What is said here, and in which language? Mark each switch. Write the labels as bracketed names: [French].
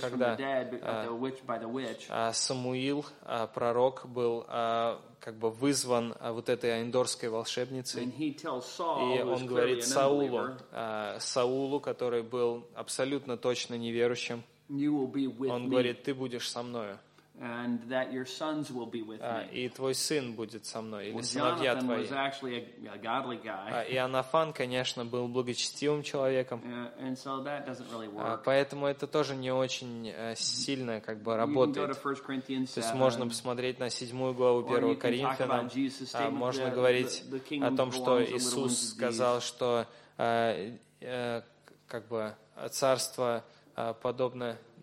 [Russian] когда Самуил, пророк, был как бы вызван вот этой эндорской волшебницей, и он говорит Саулу, Саулу, который был абсолютно точно неверующим, он говорит, ты будешь со мною. [English] And that your sons will be with me. [Russian] И твой сын будет со мной, или сыновья твои. [English] Jonathan was actually a godly guy. [Russian] И Иоаннафан, конечно, был благочестивым человеком. [English] And so that doesn't really work. [Russian] Поэтому это тоже не очень сильно как бы работает. [English] You can go to 1 Corinthians 7. [Russian] То есть можно посмотреть на 7 главу 1 Коринфянам. А можно говорить о том, что Иисус сказал, что как бы царство подобное.